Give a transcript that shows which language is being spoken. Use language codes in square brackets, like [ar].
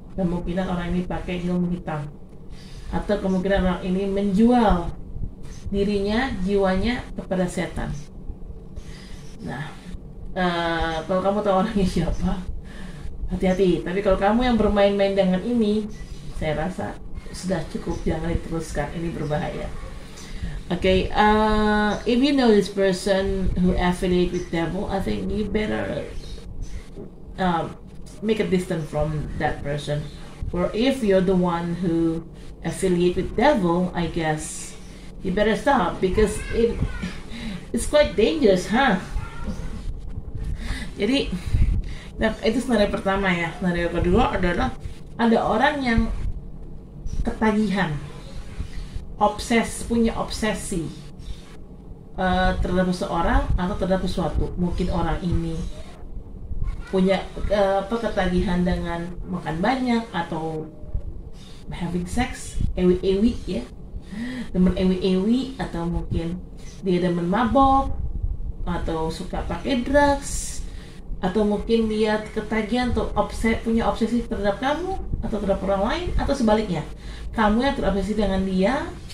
[id] Kemungkinan orang ini pakai ilmu hitam, atau kemungkinan orang ini menjual dirinya, jiwanya kepada setan. Nah, kalau kamu tahu orangnya siapa, hati-hati. Tapi kalau kamu yang bermain-main dengan ini, saya rasa sudah cukup, jangan diteruskan. Ini berbahaya. [en] Okay, if you know this person who affiliate with devil, I think you better make a distance from that person. Or if you're the one who affiliate with devil, I guess you better stop, because it's quite dangerous, huh? [id] Jadi, itu scenario pertama ya. Scenario kedua adalah ada orang yang ketagihan, punya obsesi terhadap seseorang atau terhadap sesuatu. Mungkin orang ini punya ketagihan dengan makan banyak atau [en] having sex, [id] ewi-ewi ya, demen ewi-ewi, atau mungkin dia demen mabok atau suka pakai drugs, atau mungkin dia ketagihan atau punya obsesi terhadap kamu atau terhadap orang lain, atau sebaliknya, kamu yang terobsesi dengan dia,